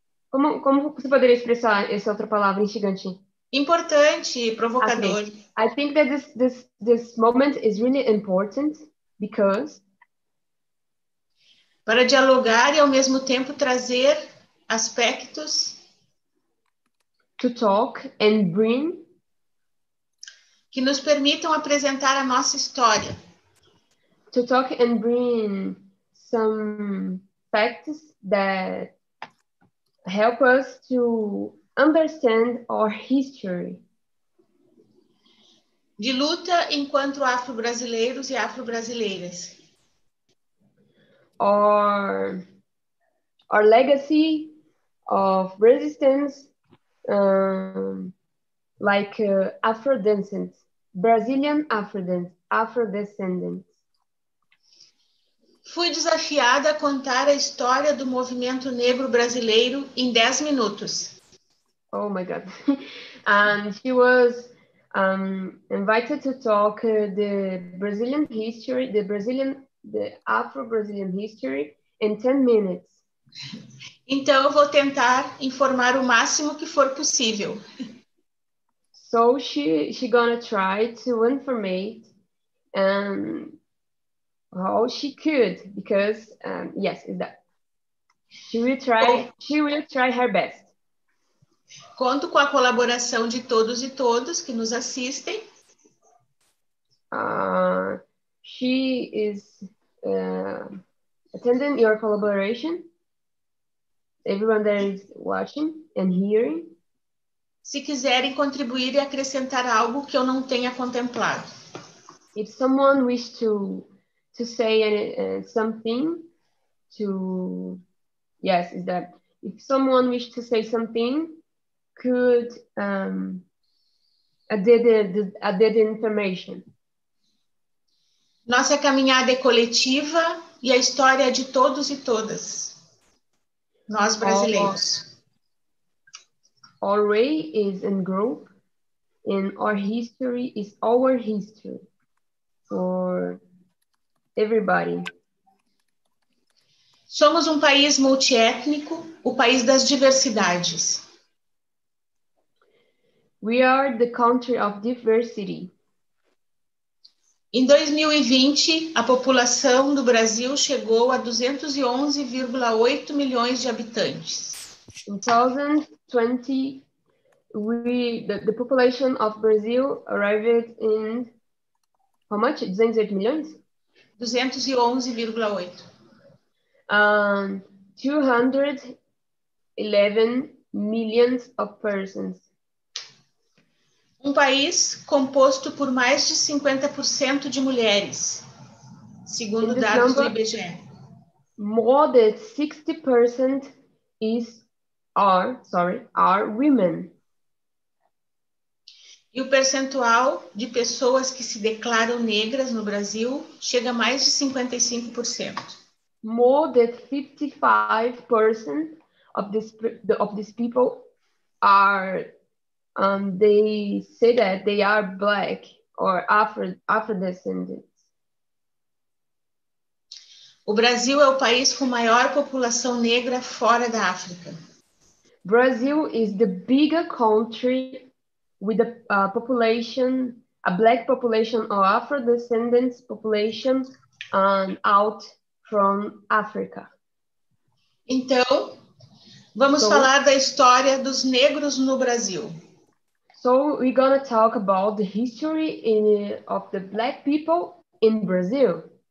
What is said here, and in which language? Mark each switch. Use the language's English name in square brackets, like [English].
[Portuguese] Como você poderia expressar essa outra palavra, instigante? Importante, provocador. [English] Okay. I think that this moment is really important because... [Portuguese] Para dialogar e ao mesmo tempo trazer... aspectos [English] to talk and bring [Portuguese] que nos permitam apresentar a nossa história [English] to talk and bring some facts that help us to understand our history. [Portuguese] De luta enquanto afro-brasileiros e afro-brasileiras. [English] Our legacy of resistance, like Afrodescendants, Brazilian Afrodescendants. [Portuguese] Fui desafiada a contar a história do movimento negro brasileiro em 10 minutos. [English] Oh my God. And she was invited to talk the Brazilian history, the Afro-Brazilian history in 10 minutes. [Portuguese] Então eu vou tentar informar o máximo que for possível. [English] So she gonna try to informate how she could, because yes, is that. She will try her best. [Portuguese] Conto com a colaboração de todos e todas que nos assistem. [English] She is attending your collaboration. Everyone that is watching and hearing. [Portuguese] Se quiserem contribuir e acrescentar algo que eu não tenha contemplado. [English] If someone wish to say something to... Yes, is that... If someone wish to say something, could add the information. [Portuguese] Nossa caminhada é coletiva e a história é de todos e todas. Nós brasileiros. [English] Our way is in group and our history is our history for everybody. [Portuguese] Somos um país multiétnico, o país das diversidades. [English] We are the country of diversity. [Portuguese] Em 2020, a população do Brasil chegou a 211,8 milhões de habitantes. [English] In 2020, the population of Brazil arrived in how much? [Portuguese] 208 milhões? 211,8. [English] 211 millions of persons. [Portuguese] Um país composto por mais de 50% de mulheres, segundo dados do IBGE. [English] More than 60% are women. [Portuguese] E o percentual de pessoas que se declaram negras no Brasil chega a mais de 55%. [English] More than 55% of these people are... they say that they are black or Afro-descendants. [Portuguese] O Brasil é o país com maior população negra fora da África. [English] Brazil is the bigger country with a population, a black population or Afro-descendants population out from Africa. [Portuguese] Então, vamos falar da história dos negros no Brasil. [English] So we're going to talk about the history of the black people in Brazil.